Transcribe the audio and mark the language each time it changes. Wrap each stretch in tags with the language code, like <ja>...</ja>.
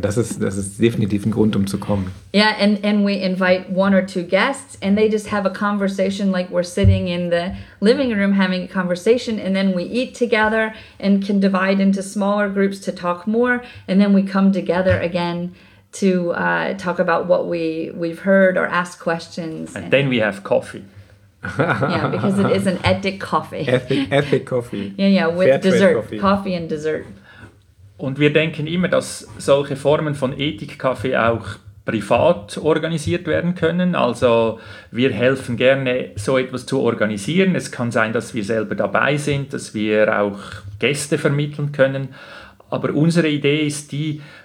<de>Das ist definitiv ein Grund, um zu kommen.</de> <en>Yeah, and we invite one or two guests and they just have a conversation like we're sitting in the living room having a conversation and then we eat together and can divide into smaller groups to talk more and then we come together again to talk about what we've heard or ask questions. And then we have coffee. Yeah, because it is an ethic coffee. Ethic coffee. Yeah, with Fair dessert. Coffee and dessert.</en> <de>Und wir denken immer, dass solche Formen von Ethik-Kaffee auch privat organisiert werden können. Also wir helfen gerne, so etwas zu organisieren. Es kann sein, dass wir selber dabei sind, dass wir auch Gäste vermitteln können. Aber unsere Idee ist die,</de>